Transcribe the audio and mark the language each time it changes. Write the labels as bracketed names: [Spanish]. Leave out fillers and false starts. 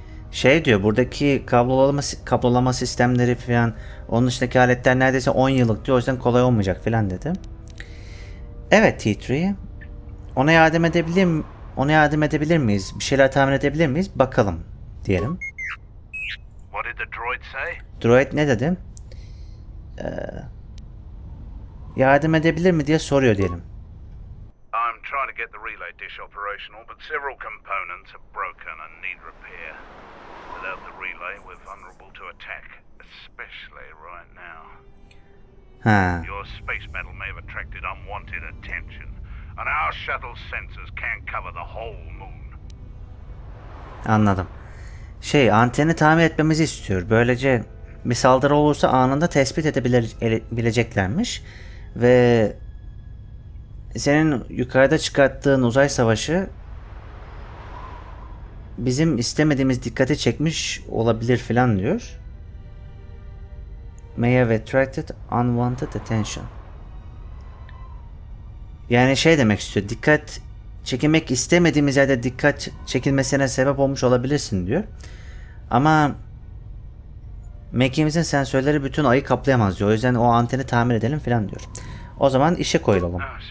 [Turkish] Şey diyor buradaki kablolama sistemleri falan onun dışındaki aletler neredeyse 10 yıllık diyor. O yüzden kolay olmayacak falan dedi. Evet T3'ye. Ona yardım edebilir miyiz? Bir şeyler tahmin edebilir miyiz? Bakalım diyelim. [English] What did the droid say? [Turkish] Droid ne dedi? Yardım edebilir mi diye soruyor diyelim. [English] I'm trying to get the relay dish operational but several components are broken and need repair. Without the relay we're vulnerable to attack, especially right now. Your space metal may have attracted unwanted attention. And our shuttle sensors can't cover the whole moon. [Turkish] Anladım. Şey, anteni tamir etmemizi istiyor. Böylece bir saldırı olursa anında tespit edebileceklermiş. Ve senin yukarıda çıkarttığın uzay savaşı bizim istemediğimiz dikkate çekmiş olabilir filan diyor. [English] May have attracted unwanted attention. [Turkish] Yani şey demek istiyor. Dikkat çekmek istemediğimiz yerde dikkat çekilmesine sebep olmuş olabilirsin diyor. Ama mekiğimizin sensörleri bütün ayı kaplayamaz diyor. O yüzden o anteni tamir edelim filan diyor. O zaman işe koyulalım.